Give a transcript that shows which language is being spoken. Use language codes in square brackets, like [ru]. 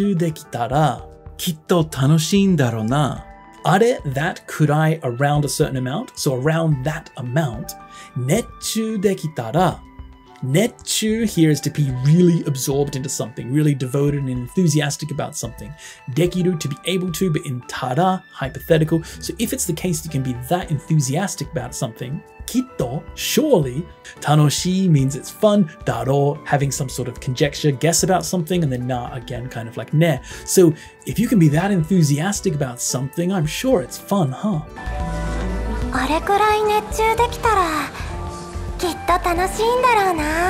[ja] あれくらい熱中できたらきっと楽しいんだろうな。あれくらい熱中できたらきっと楽しいんだろうな。 [en] Are that kurai around a certain amount, so around that amount. [ja] 熱中できたら. [en] 熱中 here is to be really absorbed into something, really devoted and enthusiastic about something. できる, to be able to, but in たら, hypothetical. So if it's the case you can be that enthusiastic about something, きっと, surely, 楽しい means it's fun, だろ, having some sort of conjecture, guess about something, and then な, again, kind of like ね. So if you can be that enthusiastic about something, I'm sure it's fun, huh? [ja] あれくらい熱中できたら きっと楽しいんだろうな。